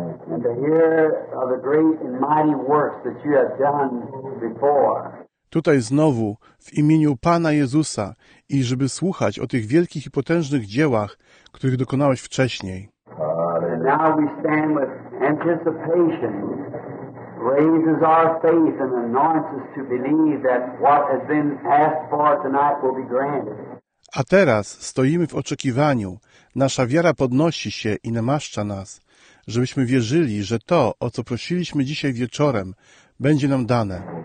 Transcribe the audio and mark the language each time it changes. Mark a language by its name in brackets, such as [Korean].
[English] And to hear of the great and mighty works that you have done before. [Polish] Tutaj znowu w imieniu Pana Jezusa i żeby słuchać o tych wielkich i potężnych dziełach, których dokonałeś wcześniej. [English] And now we stand with anticipation, raises our faith and anoints us to believe that what has been asked for tonight will be granted. [Polish] A teraz stoimy w oczekiwaniu. Nasza wiara podnosi się i namaszcza nas, żebyśmy wierzyli, że to, o co prosiliśmy dzisiaj wieczorem, będzie nam dane.